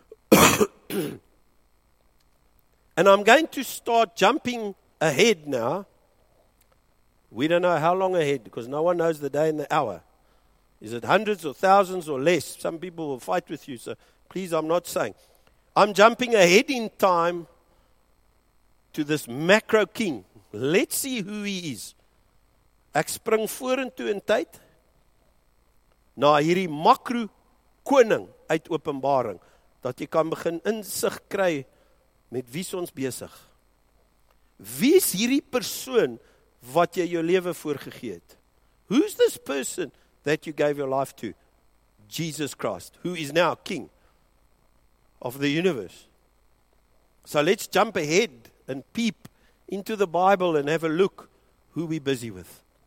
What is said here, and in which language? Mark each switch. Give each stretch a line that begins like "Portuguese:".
English: And I'm going to start jumping ahead now. We don't know how long ahead because no one knows the day and the hour. Is it hundreds or thousands or less? Some people will fight with you, so please, I'm not saying. I'm jumping ahead in time to this macro king. Let's see who he is.
Afrikaans: Ek spring vorentoe in tyd na hierdie makro koning uit Openbaring, dat jy kan begin insig kry met wie ons besig. Wie is hierdie persoon wat jy jou lewe voorgegee het?
English: Who's this person that you gave your life to? Jesus Christ, who is now king of the universe. So let's jump ahead and peep into the Bible and have a look who we're busy with.